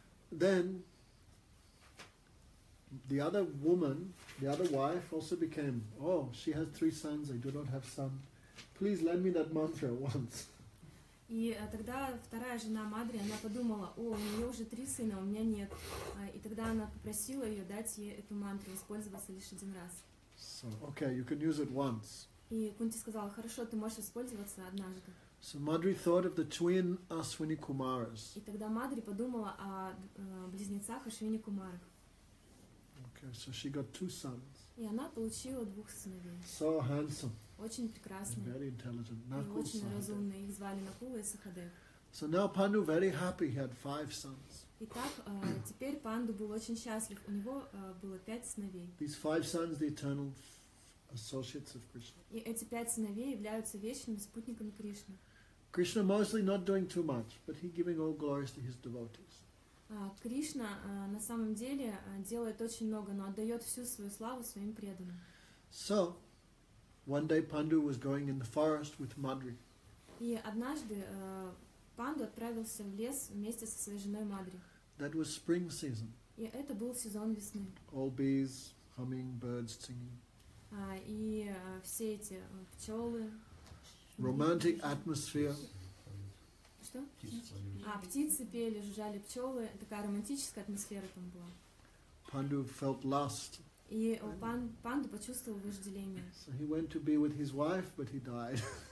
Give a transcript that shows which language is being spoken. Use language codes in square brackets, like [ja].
[en] Then the other woman, the other wife also became, oh, she has three sons, I do not have son. Please lend me that mantra once. [ru] И тогда вторая жена Мадри, она подумала, о, у нее уже три сына, у меня нет. И тогда она попросила ее дать ей эту мантру, использоваться лишь один раз. [en] So, okay, you can use it once. [ru] И Кунти сказала, хорошо, ты можешь использоваться однажды. [en] So Madri thought of the twin Ashwini Kumaras. [ru] И тогда Мадри подумала о близнецах Ашвини Кумарах. [en] Okay, so she got two sons. [ru] И она получила двух сыновей. [en] So handsome. [ru] Очень прекрасный. [en] Very intelligent. [ru] Nakula, и очень разумный. Их звали Накула и Сахадев. [en] So now Pandu very happy. He had five sons. [ru] Итак, теперь Панду был очень счастлив. У него было пять сыновей. [en] These five sons, the eternal associates of Krishna. [ru] И эти пять сыновей являются вечными спутниками Кришны. [en] Krishna mostly not doing too much, but he giving all glories to his devotees. [ru] Кришна на самом деле делает очень много, но отдает всю свою славу своим преданным. [en] So, one day Pandu was going in the forest with Madri. [ru] И однажды Панду отправился в лес вместе со своей женой Мадри. [en] That was spring season. [ru] И это был сезон весны. [en] All bees, humming, birds singing. [ru] И все эти пчелы. [en] Romantic atmosphere. [ru] Что? Птицы пели, жужжали пчелы. Такая романтическая атмосфера там была. [en] Pandu felt lust. [ru] И Панду почувствовал вожделение. [en] So he went to be with his wife, but he died.